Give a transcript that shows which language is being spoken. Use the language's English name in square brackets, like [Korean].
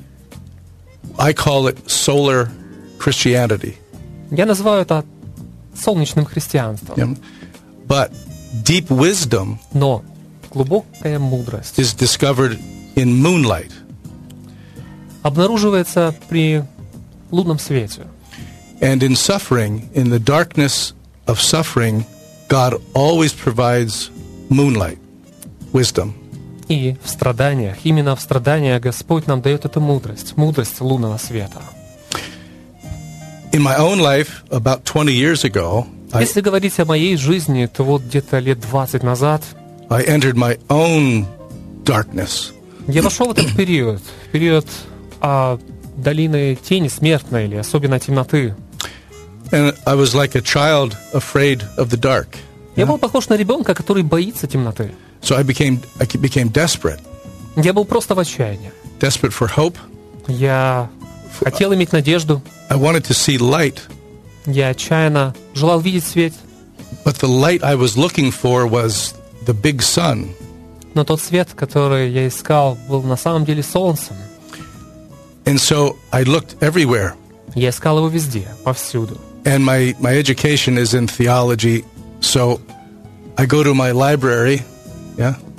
[English] Yeah. I call it solar Christianity. [Russian] Я называю это солнечным христианством. [English] Yeah. But deep wisdom. [Russian] Но глубокая мудрость. [English] Is discovered in moonlight. [Russian] Обнаруживается при лунном свете. [English] And in suffering, in the darkness of suffering, God always provides moonlight, wisdom. [Russian] И в страданиях, именно в страданиях Господь нам дает эту мудрость, мудрость лунного света. [English] In my own life, about 20 years ago, [Russian] если говорить о моей жизни, то вот где-то лет 20 назад [English] I entered my own darkness. [Russian] Я вошел в этот период, период долины тени смертной или особенно темноты. [English] And I was like a child afraid of the dark. [Russian] Я был похож на ребенка, который боится темноты. [English] So I became desperate. [Russian] Я был просто в отчаянии. [English] Desperate for hope. [Russian] Я хотел иметь надежду. [English] I wanted to see light. [Russian] Я отчаянно желал видеть свет. [English] But the light I was looking for was the big sun. [Russian] Но тот свет, который я искал, был на самом деле солнцем. [English] And so I looked everywhere. [Russian] Я искал его везде, повсюду. [English] And my education is in theology, so I go to my library. Yeah.